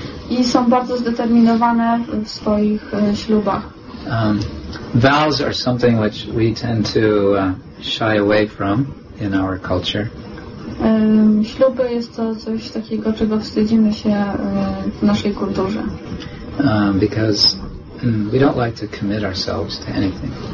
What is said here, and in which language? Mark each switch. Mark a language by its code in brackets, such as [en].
[pl] I są bardzo zdeterminowane w swoich ślubach. [en] Vows are something which we tend to shy away from in our culture. [pl] Śluby jest to coś takiego, czego wstydzimy się w naszej kulturze. [en] Because we don't like to commit ourselves to anything.